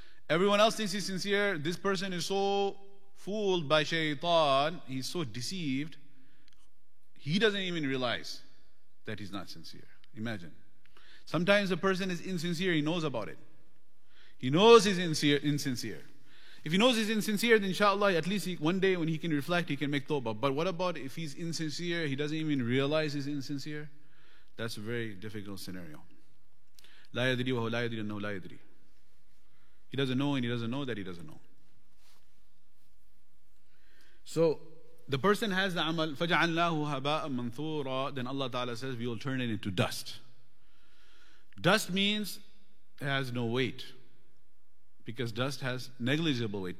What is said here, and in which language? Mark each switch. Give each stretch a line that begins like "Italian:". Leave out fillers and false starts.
English: Everyone else thinks he's sincere. This person is so fooled by shaitan, he's so deceived, he doesn't even realize that he's not sincere. Imagine. Sometimes a person is insincere, he knows about it. He knows he's insincere. If he knows he's insincere, then inshallah, at least one day when he can reflect, he can make tawbah. But what about if he's insincere, he doesn't even realize he's insincere? That's a very difficult scenario.
Arabic: لا يدري وهو لا يدري أنه لا يدري.
English: He doesn't know, and he doesn't know that he doesn't know. So the person has the amal,
Arabic: فَجَعَلْنَاهُ هَبَاءً مَنْثُورًا.
English: Then Allah Ta'ala says, we will turn it into dust. Dust means it has no weight, because dust has negligible weight.